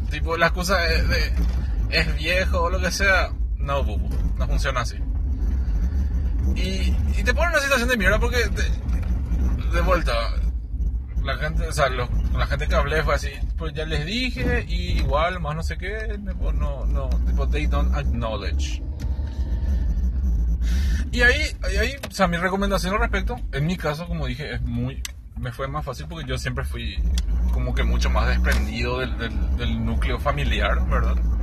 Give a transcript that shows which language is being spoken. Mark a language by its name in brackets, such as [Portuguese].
[Spanish] Tipo, la excusa es viejo o lo que sea. No, bubu, no funciona así. Y te pone en una situación de mierda porque, de vuelta, la gente, o sea, la gente que hablé fue así. Pues ya les dije, y igual, más no sé qué. Tipo, no, tipo, [English] they don't acknowledge. [Spanish] Y ahí, o sea, mi recomendación al respecto, en mi caso, como dije, es muy, me fue más fácil porque yo siempre fui como que mucho más desprendido del núcleo familiar, ¿verdad?